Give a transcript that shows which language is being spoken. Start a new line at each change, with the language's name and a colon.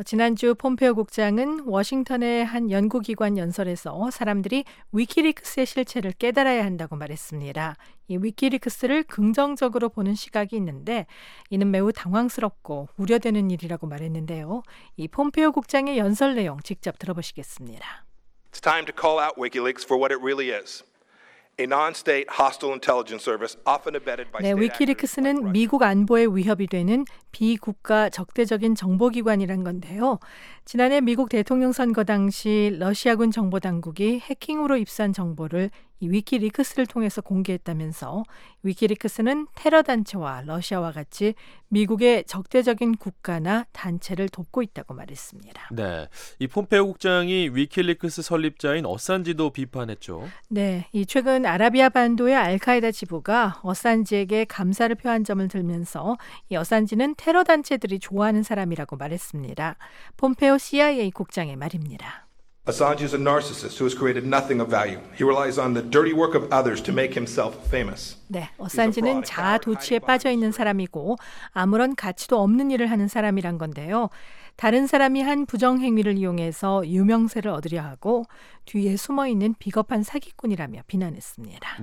Korean: 지난주 폼페오 국장은 워싱턴의 한 연구기관 연설에서 사람들이 위키리크스의 실체를 깨달아야 한다고 말했습니다. 이 위키리크스를 긍정적으로 보는 시각이 있는데 이는 매우 당황스럽고 우려되는 일이라고 말했는데요. 이 폼페오 국장의 연설 내용 직접 들어보시겠습니다.
English: It's time to call out WikiLeaks for what it really is. A non-state hostile intelligence service often abetted by state.
Korean: 네, 위키리크스는 미국 안보에 위협이 되는 비국가 적대적인 정보기관이란 건데요. 지난해 미국 대통령 선거 당시 러시아군 정보 당국이 해킹으로 입수한 정보를 이 위키리크스를 통해서 공개했다면서 위키리크스는 테러 단체와 러시아와 같이 미국의 적대적인 국가나 단체를 돕고 있다고 말했습니다. 네, 이 폼페오 국장이 위키리크스 설립자인 어산지도 비판했죠. 네, 이 최근 아라비아 반도의 알카에다 지부가 어산지에게 감사를 표한 점을 들면서 이 어산지는 테러 단체들이 좋아하는 사람이라고 말했습니다. 폼페오 CIA 국장의 말입니다.
English: Assange is a narcissist who has created nothing of value. He relies on the dirty work of others to make himself famous.
Korean: 네, 어산지는 자아도취에 빠져 있는 사람이고 아무런 가치도 없는 일을 하는 사람이란 건데요. 다른 사람이 한 부정 행위를 이용해서 유명세를 얻으려 하고 뒤에 숨어 있는 비겁한 사기꾼이라며 비난했습니다.